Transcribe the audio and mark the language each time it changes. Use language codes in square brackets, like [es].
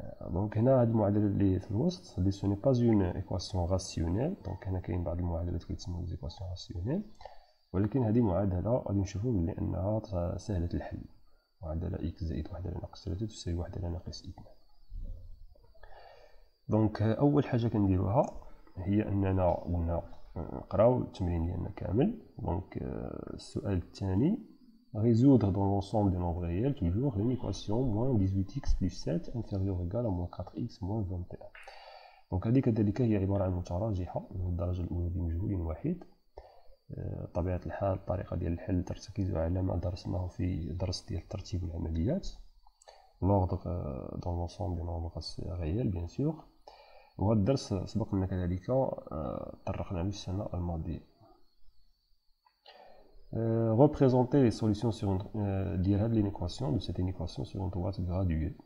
[ar] دونك هنا هاد المعادلة اللي في الوسط [fr] لي سوني با اون ايكواسيون راسيونيل، [ar] دونك هنا كاين بعض المعادلات كيتسموو ايكواسيون راسيونيل، ولكن هذه معادلة غادي نشوفو بلي انها سهلة الحل. معادلة x زائد 1 على ناقص 3 تساوي 1 على ناقص 2. دونك اول حاجة كنديروها هي اننا قلنا نقراو التمرين ديالنا كامل. دونك السؤال الثاني [fr] résoudre dans l'ensemble des nombres réels toujours l'équation moins 18x plus 7 inférieur ou égal à moins 4x moins 21. [ar] Donc هذه كذلك هي عبارة عن متراجحة من الدرجة الأولى بمجهول واحد. طبيعة الحال الطريقة ديال الحل ترتكز على ما درسناه في درس ديال ترتيب العمليات [fr] l'ordre dans l'ensemble des nombres réels bien sûr. [ar] وهذا الدرس سبق لنا كذلك تطرقنا له السنة الماضية. [fr] Représenter les solutions sur une équation de cette équation sur une droite graduée.